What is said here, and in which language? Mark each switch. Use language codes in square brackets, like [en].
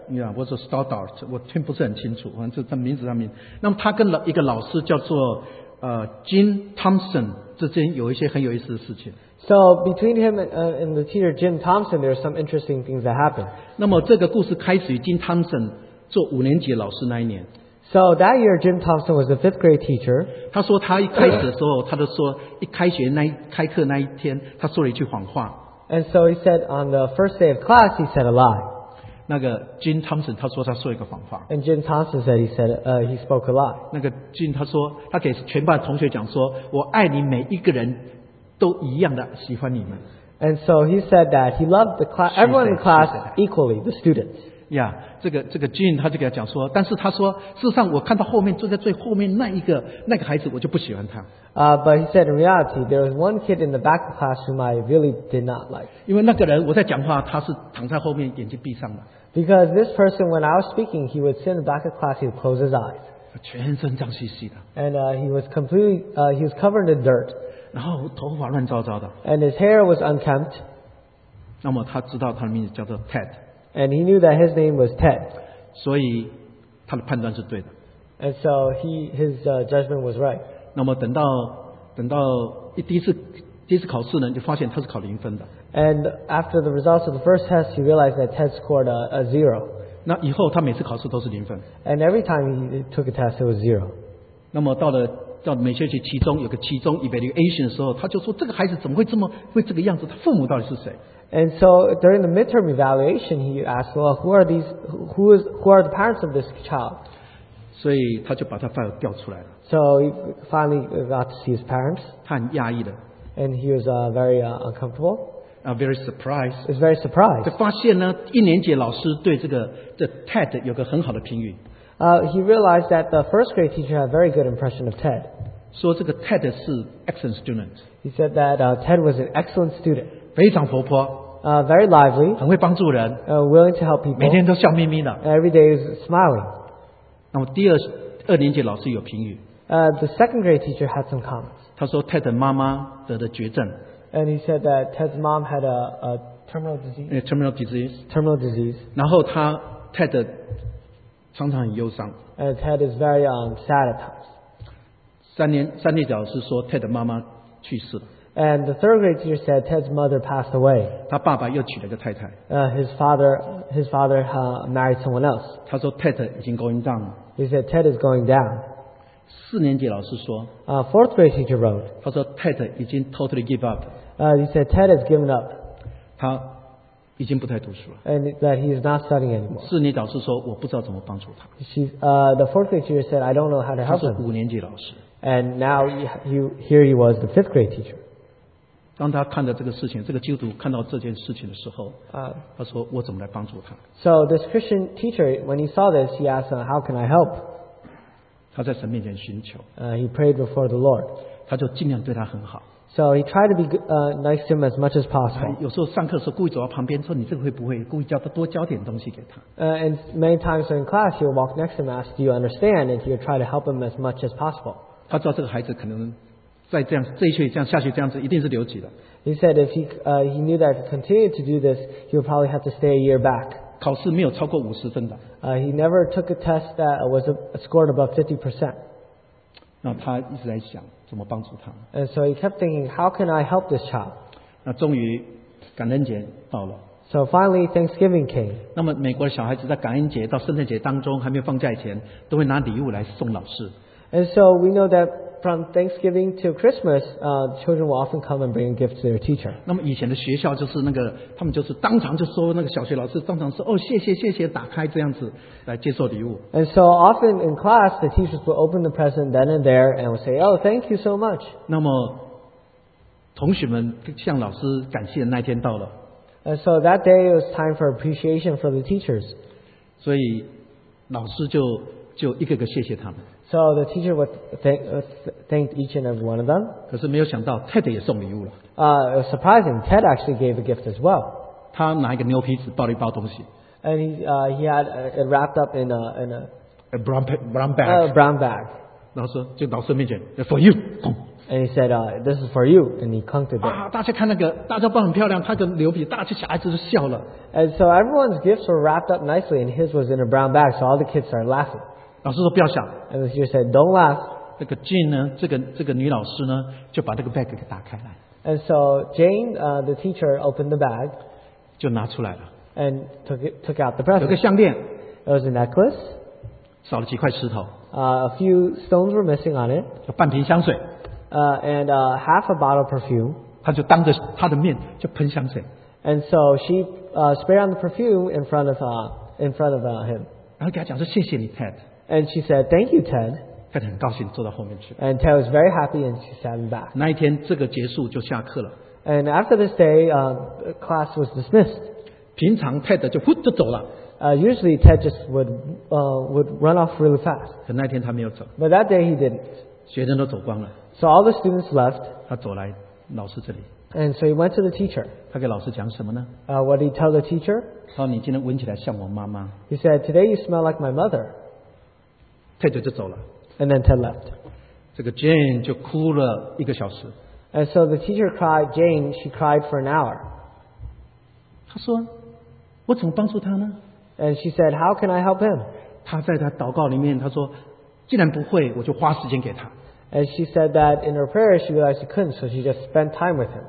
[en] Yeah, was a Stoddart. [zh] 我听不是很清楚，反正这名字上面。那么他跟一个老师叫做 Jim Thompson 之间有一些很有意思的事情。 [en] So between him and the teacher Jim Thompson, there are some interesting things that happened. [zh] 那么这个故事开始于 Jim Thompson 做五年级老师那一年。 [en] So that year, Jim Thompson was a fifth grade teacher. [zh] 他说他一开始的时候，他就说一开学那一开课那一天，他说了一句谎话。 [en] And so he said on the first day of class, he said a lie. [zh] 那个 Jim Thompson 他说一个谎话。 [en] And Jim Thompson said he spoke a lie. [zh] 那个 Jim 他说他给全班同学讲说我爱你每一个人都一样的喜欢你们。 [en] And so he said that he loved the class, everyone in the class equally, the students. Yeah, [zh] 这个 Jean 他就给他讲说，但是他说，事实上我看到后面坐在最后面那个孩子，我就不喜欢他。 [en] But he said in reality there was one kid in the back class whom I really did not like. [zh] 因为那个人我在讲话，他是躺在后面眼睛闭上的。 [en] Because this person, when I was speaking, he would sit in the back of class, he would close his eyes. [zh] 全身脏兮兮的。 [en] And he was completely, he was covered in dirt. [zh] 然后头发乱糟糟的。 [en] And his hair was unkempt. [zh] 那么他知道他的名字叫做 Ted。 [en] And he knew that his name was Ted. [zh] 所以他的判断是对的。 [en] And so his judgment was right. [zh] 那么等到第一次考试呢，就发现他是考零分的。 [en] And after the results of the first test, he realized that Ted scored a zero. [zh] 那以后他每次考试都是零分。 [en] And every time he took a test, it was zero. [zh] 那么到了每学期期中有个期中 evaluation 的时候，他就说这个孩子怎么会这个样子？他父母到底是谁？ [en] And so during the midterm evaluation, he asked, well, who are the parents of this child? [zh] 所以他就把他file调出来了。 [en] So he finally got to see his parents. [zh] 他很讶异的。 [en] And he was very uncomfortable. Very surprised. He was very surprised. [zh] 就发现呢，一年级老师对这 Ted 有个很好的评语。 [en] He realized that the first grade teacher had a very good impression of Ted. [zh] 说这个 Ted 是 [en] excellent student. He said that Ted was an excellent student. [zh] 非常活泼， [en] very lively， [zh] 很会帮助人， [en] willing to help people， [zh] 每天都笑眯眯的 [en] ，every day is smiling。 [zh] 那么第二年级老师有评语， [en] the second grade teacher had some comments。 [zh] 他说 Ted 的妈妈得了绝症 [en] ，and he said that Ted's mom had a terminal disease。 terminal disease。 terminal disease。 [zh] 然后他 Ted 常常很忧伤 [en] ，and Ted is very sad at times。 [zh] 三年级老师说 Ted 的妈妈去世了。 [en] And the third grade teacher said Ted's mother passed away. [zh] 他爸爸又娶了个太太。 [en] His father married someone else. [zh] 他说 Ted 已经 [en] going down. He said Ted is going down. [zh] 四年级老师说。 [en] Fourth grade teacher wrote. [zh] 他说 Ted 已经 [en] totally give up. He said Ted has given up. [zh] 他已经不太读书了。 [en] And that he is not studying anymore. [zh] 四年级老师说我不知道怎么帮助他。 [en] The fourth grade teacher said I don't know how to help him. [zh] 他是五年级老师。 [en] And now here he was the fifth grade teacher. [zh] 当他看到这个事情，这个基督徒看到这件事情的时候，他说：“我怎么来帮助他？” [en] So this Christian teacher, when he saw this, he asked, "How can I help?" [zh] 他在神面前寻求。 [en] He prayed before the Lord. [zh] 他就尽量对他很好。 [en] So he tried to be nice to him as much as possible. [zh] 有时候上课的时候故意走到旁边说：“你这个会不会？” 故意叫他多教点东西给他。 [en] And many times in class, he would walk next to him, ask, "Do you understand?" And he would try to help him as much as possible. [zh] 他知道这个孩子可能。再这样，这一学期这样下去，这样子一定是留级的。 [en] He said if he knew that if he continued to do this, he would probably have to stay a year back. [zh] 考试没有超过五十分的。 [en] He never took a test that was scored above 50%. [zh] 那他一直在想怎么帮助他。 [en] And so he kept thinking, how can I help this child? [zh] 那终于感恩节到了。 [en] So finally Thanksgiving came. [zh] 那么美国的小孩子在感恩节到圣诞节当中还没有放假以前，都会拿礼物来送老师。 [en] And so we know that. From Thanksgiving to Christmas, children will often come and bring a gift to their teacher. [zh] 那么以前的学校就是那个，他们就是当场就说那个小学老师当场说哦谢谢谢谢，打开这样子来接受礼物。 [en] And so often in class, the teachers will open the present then and there and will say, "Oh, thank you so much." [zh] 那么同学们向老师感谢的那天到了。 [en] And so that day it was time for appreciation for the teachers. [zh] 所以老师就一个个谢谢他们。 [en] So the teacher would thank each and every one of them. [zh] 可是没有想到 Ted 也送礼物了。 [en] It was surprising. Ted actually gave a gift as well. [zh] 他拿一个牛皮纸包了一包东西。 [en] And he had it wrapped up in a brown bag. A brown bag. [zh] 老师就老师面前 [en] for you. And he said, "This is for you." And he clunked it. [zh] 啊，大家看那个，大家包很漂亮，他的牛皮，大家小孩子都笑了。 [en] And so everyone's gifts were wrapped up nicely, and his was in a brown bag, so all the kids started laughing. [zh] 老师说不要想 [en] And the teacher said, "Don't laugh." [zh] 那个 Jane 呢？这个女老师呢，就把那个 bag 给打开来。 [en] And so Jane, the teacher opened the bag. [zh] 就拿出来了。 [en] And took out the present. [zh] 有个项链。 [en] It was a necklace. [zh] 少了几块石头。 [en] A few stones were missing on it. [zh] 有半瓶香水。 [en] And half a bottle of perfume. [zh] 他就当着他的面就喷香水。 [en] And so she sprayed on the perfume in front of him. [zh] 然后给他讲说：“谢谢你 ，Ted。” [en] And she said, "Thank you, Ted." [zh] Ted 很高兴坐到后面去。 [en] And Ted was very happy, and she sat him back. [zh] 那一天，这个结束就下课了。 [en] And after this day, class was dismissed. [zh] 平常泰德就呼就走了。 [en] Usually Ted just would run off really fast. [zh] 可那天他没有走。 [en] But that day he didn't. [zh] 学生都走光了。 [en] So all the students left. [zh] 他走来老师这里。 [en] And so he went to the teacher. [zh] 他给老师讲什么呢？ [en] What did he tell the teacher? [zh] 他说你今天闻起来像我妈妈。 [en] He said, "Today you smell like my mother." [zh] Ted 就走了。 [en] And then Ted left. [zh] 这个 Jane 就哭了一个小时。 [en] And so the teacher cried. Jane, she cried for an hour. [zh] 他说，我怎么帮助他呢？ [en] And she said, how can I help him? [zh] 她在她祷告里面，她说，既然不会，我就花时间给他。 [en] And she said that in her prayer, she realized she couldn't, so she just spent time with him.